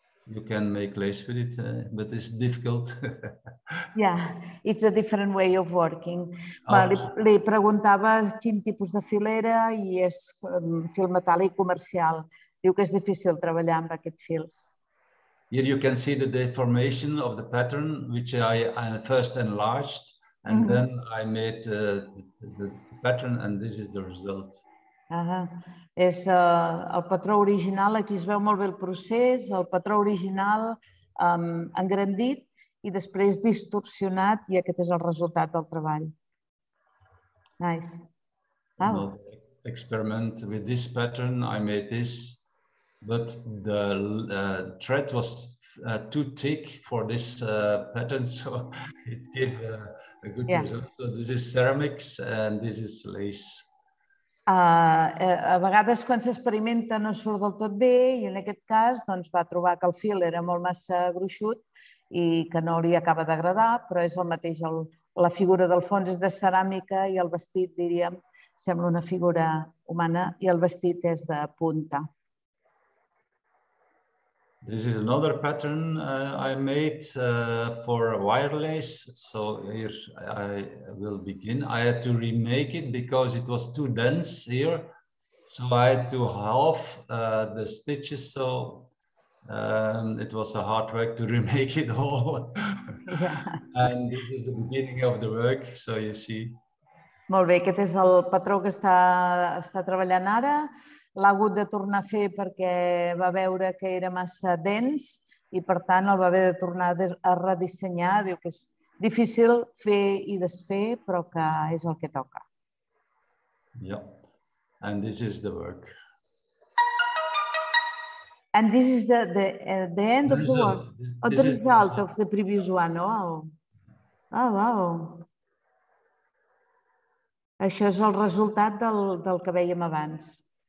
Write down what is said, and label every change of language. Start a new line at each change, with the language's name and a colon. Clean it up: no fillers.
English: You can make lace with it, but it's difficult. Yeah, it's a different way of working.
Catalan: Li preguntava quin tipus de filera I és fil metàl·lic comercial. Diu que és difícil treballar amb aquests fils.
English: Here you can see the deformation of the pattern, which I first enlarged, and then I made the pattern, and this is the result.
Catalan: És el patró original, aquí es veu molt bé el procés, el patró original engrandit I després distorsionat I aquest és el resultat del treball.
English: Nice. Wow. No, experiment with this pattern, I made this, but the thread was too thick for this pattern, so it gave a good result. So this is ceramics and this is lace.
Catalan: A vegades quan s'experimenta no surt del tot bé I en aquest cas doncs va trobar que el fil era molt massa gruixut I que no li acaba d'agradar, però és el mateix, la figura del fons és de ceràmica I el vestit, diríem, sembla una figura humana I el vestit és de punta.
English: This is another pattern I made for wireless. So here I will begin. I had to remake it because it was too dense here. So I had to half the stitches. So it was a hard work to remake it all. Yeah. And this is the beginning of the work. So you see.
Catalan: Molt bé, aquest és el patró que està treballant ara. L'ha hagut de tornar a fer perquè va veure que era massa dens I, per tant, el va haver de tornar a redissenyar. Diu que és difícil fer I desfer, però que és el que toca.
English: Yeah, and this is the work. And this is the end of the work. Oh, the result of the previous one, wow. Oh, wow.
Catalan: Això és el resultat del que veiem abans.